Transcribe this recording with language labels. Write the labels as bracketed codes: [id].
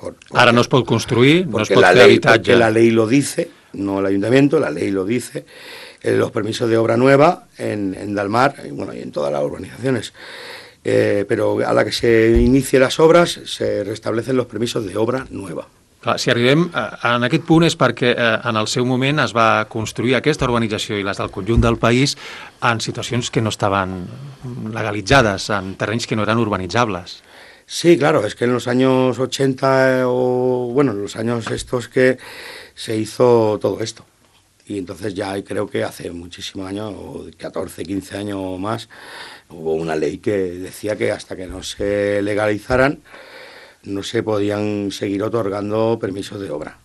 [es] Ahora no es por construir, no es por habitar. La ley lo dice, no el ayuntamiento, la ley lo dice. Los permisos de obra nueva en Dalmar, bueno, y en todas las urbanizaciones. Pero a la que se inicie las obras, se restablecen los permisos de obra nueva. [ca] Clar, si arribem en aquest punt és perquè en el seu moment es va construir aquesta urbanització i les del conjunt del país en situacions que no estaven legalitzades, en terrenys que no eren urbanitzables. [es] Sí, claro, es que en los años 80 o, bueno, en los años estos que se hizo todo esto. Y entonces ya creo que hace muchísimos años, 14, 15 años o más, hubo una ley que decía que hasta que no se legalizaran no se podían seguir otorgando permisos de obra.